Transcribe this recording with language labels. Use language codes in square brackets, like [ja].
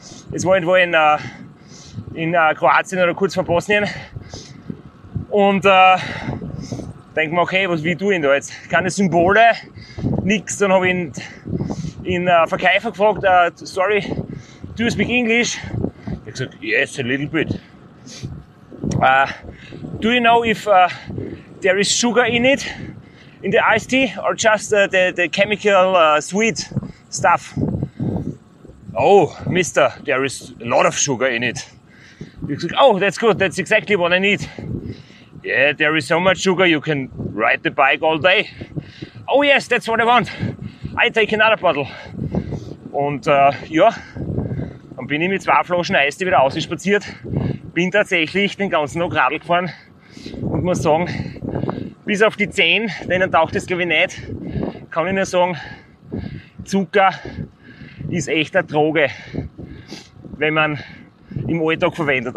[de] Es war irgendwo in Kroatien oder kurz vor Bosnien. Und denke mir, okay, was will ich tun da jetzt? Keine Symbole, nix. Dann habe ich in Verkäufer gefragt, [en] sorry, do you speak English? [de] Ich habe gesagt, [en] yes, a little bit. Do you know if there is sugar in it, in the iced tea, or just the chemical sweet stuff? Oh, mister, there is a lot of sugar in it. [de] Ich habe gesagt, [en] oh, that's good, that's exactly what I need. Yeah, there is so much sugar, you can ride the bike all day. Oh yes, that's what I want. I take another bottle. [de] Und ja, dann bin ich mit zwei Flaschen Eis wieder ausgespaziert, bin tatsächlich den ganzen Tag Radl gefahren und muss sagen, bis auf die 10, denen taucht das glaube ich nicht, kann ich nur sagen, Zucker ist echt eine Droge, wenn man im Alltag verwendet.